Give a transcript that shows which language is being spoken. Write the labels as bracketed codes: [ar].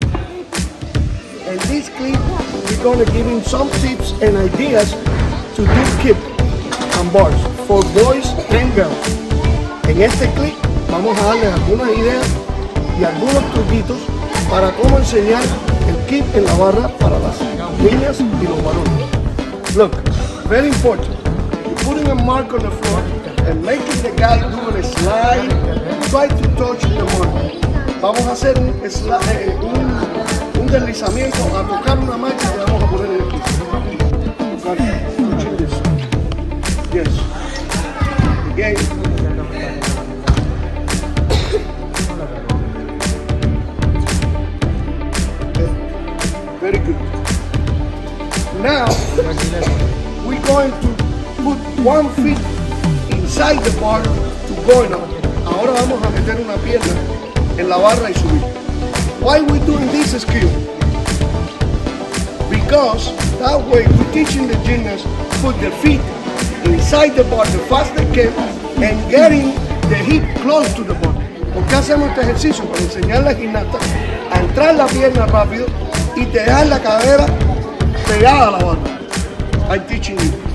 [en] And this clip, we're gonna give him some tips and ideas to do kip and bars for boys and girls. [es] En este clip, vamos a darles algunas ideas y algunos truquitos para cómo enseñar el kip en la barra para las niñas y los varones. [en] Look, very important. You're putting a mark on the floor and making the guy do a slide, try to touch the mark. [es] Vamos a hacer un slide, un deslizamiento, a tocar una marcha que vamos a poner en el piso. [en] Yes. Again. Very good. Now, we're going to put 1 foot inside the bar to go now. [es] Ahora vamos a meter una pierna en la barra y subir. [en] Why are we doing this skill? Because that way we're teaching the gymnast put their feet inside the bar the fast they can and getting the hip close to the bar. [es] ¿Por qué hacemos este ejercicio? Para enseñar a la gimnasta a entrar la pierna rápido y dejar la cadera pegada a la barra. [en] I'm teaching you.